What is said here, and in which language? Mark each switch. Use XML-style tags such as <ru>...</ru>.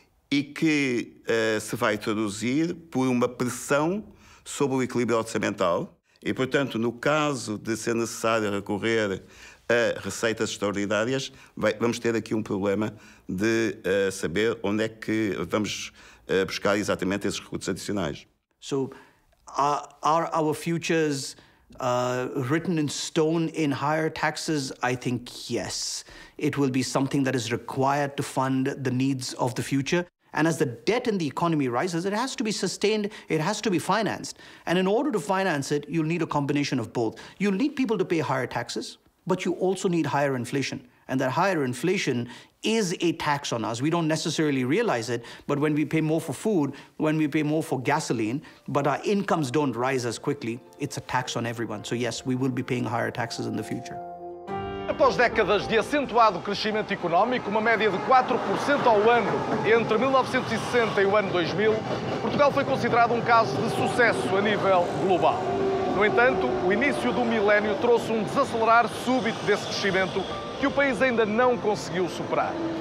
<pt>E que se vai traduzir por uma pressão sobre o equilíbrio orçamental e, portanto, no caso de ser necessário recorrer a receitas extraordinárias, vamos ter aqui um problema de saber onde é que vamos buscar exatamente esses recursos adicionais.</pt> <en>So, are our futures written in stone in higher taxes? I think yes. It will be something that is required to fund the needs of the future. And as the debt in the economy rises, it has to be sustained, it has to be financed. And in order to finance it, you'll need a combination of both. You'll need people to pay higher taxes, but you also need higher inflation. And that higher inflation is a tax on us. We don't necessarily realize it, but when we pay more for food, when we pay more for gasoline, but our incomes don't rise as quickly, it's a tax on everyone. So yes, we will be paying higher taxes in the future.</en> <pt>Após décadas de acentuado crescimento económico, uma média de 4% ao ano entre 1960 e o ano 2000, Portugal foi considerado um caso de sucesso a nível global. No entanto, o início do milénio trouxe um desacelerar súbito desse crescimento que o país ainda não conseguiu superar.</pt>